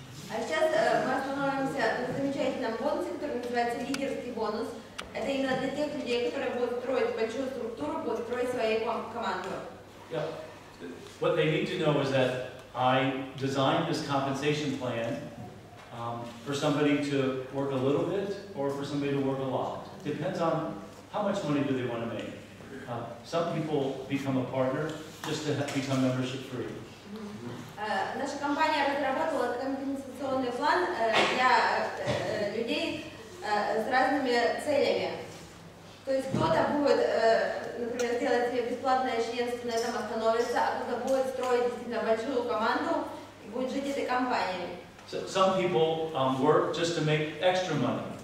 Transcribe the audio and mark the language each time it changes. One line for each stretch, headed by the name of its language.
Russian: А сейчас мы остановимся на замечательном бонусе, который называется лидерский бонус. Это именно для тех людей, которые будут строить большую структуру, будут строить свою команду.
English: Yeah. What they need to know is that I designed this compensation plan for somebody to work a little bit or for somebody to work a lot. Depends on how much money do they want to make. Some people become a partner just to become membership free.
Russian: Наша компания разработала компенсационный план для людей с разными целями. То есть кто-то будет, например, делать себе бесплатное членство, на этом остановится, а кто-то будет строить действительно большую команду и будет жить этой компанией.
English: So, some people work just to make extra money.